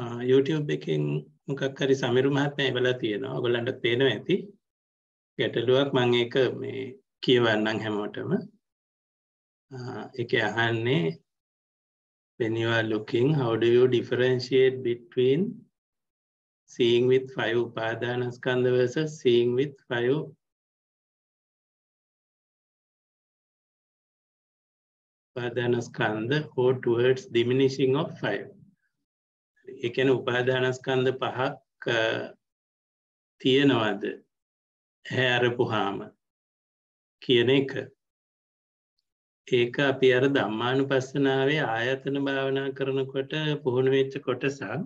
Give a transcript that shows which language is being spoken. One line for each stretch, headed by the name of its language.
Sinhala: YouTube එකෙන් මොකක් හරි සමිරු මහත්මයා ඉවලා තියෙනවා. ඔයගලන්ට පේනවා ඇති. ගැටලුවක් මම ඒක මේ කියවන්නම් හැමෝටම. ඒක අහන්නේ
English: when you are looking how do you differentiate between seeing with five upadana skandha versus seeing with five upadana skandha or towards diminishing of five.
Sinhala: ඒ කියන්නේ උපාදානස්කන්ධ පහක් තියෙනවද ඇහැ අරපුහාම කියන එක. ඒක අපි අර ධම්මානුපස්සනාවේ ආයතන භාවනා කරනකොට පුහුණු වෙච්ච කොටසක්.